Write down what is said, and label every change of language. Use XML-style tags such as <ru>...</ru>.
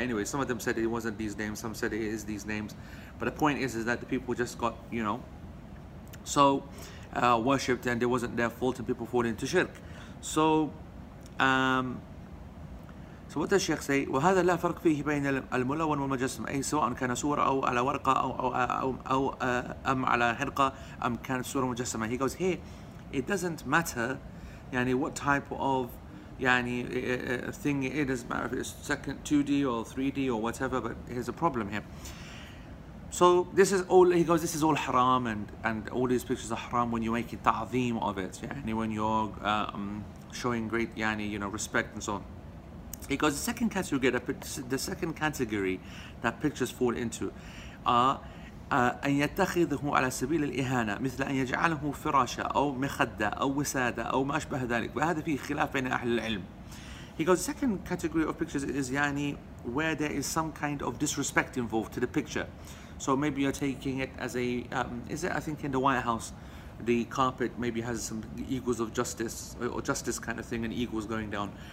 <en>Anyway, some of them said it wasn't these names, some said it is these names, but the point is that the people just got, you know, so worshipped, and it wasn't their fault, and people fall into shirk. So So what does Sheikh say?</en> <ar>وهذا لا فرق فيه بين الملون والمجسم أي سواء كان صورة أو على ورقة أو أم على حرقة أم كان صورة مجسمة.</ar> <en>He goes, hey, it doesn't matter, يعني what type of يعني thing it is. It doesn't matter if it's second 2D or 3D or whatever. But here's a problem here. So this is all. He goes, this is all haram, and all these pictures are haram when you're making ta'zim of it. يعني when you're showing great yani, you know, respect and so on. He goes, the second category that pictures fall into</en> <ar>أن يتخذه على سبيل الإهانة مثل أن يجعله فراشة أو مخدة أو وسادة أو ما أشبه ذلك. وهذا فيه خلاف بين أهل العلم.</ar> <en>He goes, the second category of pictures is يعني where there is some kind of disrespect involved to the picture. So maybe you're taking it as a, is it, I think in the White House, the carpet maybe has some eagles of justice or justice kind of thing and eagles going down.</en>